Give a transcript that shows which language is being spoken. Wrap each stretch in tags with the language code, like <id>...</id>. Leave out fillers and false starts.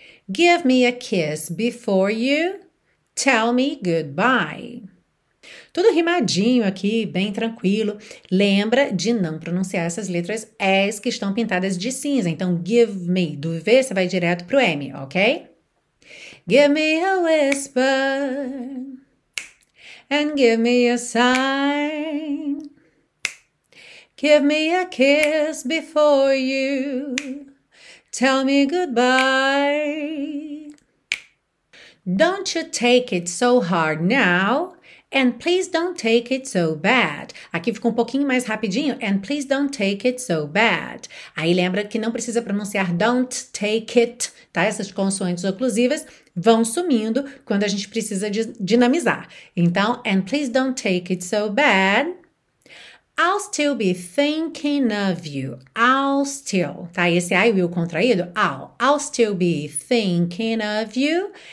<en>Give me a kiss before you tell me goodbye.</en> <pt>Tudo rimadinho aqui, bem tranquilo. Lembra de não pronunciar essas letras S que estão pintadas de cinza. Então, give me. Do V você vai direto pro M, ok?</pt> <en>Give me a whisper and give me a sign. Give me a kiss before you tell me goodbye. Don't you take it so hard now. And please don't take it so bad.</en> <pt>Aqui fica um pouquinho mais rapidinho.</pt> <en>And please don't take it so bad.</en> <pt>Aí lembra que não precisa pronunciar</pt> <en>don't take it,</en> <pt>tá? Essas consoantes oclusivas vão sumindo quando a gente precisa de dinamizar.</pt> <en>Então, and please don't take it so bad. I'll still be thinking of you. I'll still, tá? Esse I will contraído. I'll still be thinking of you.</en>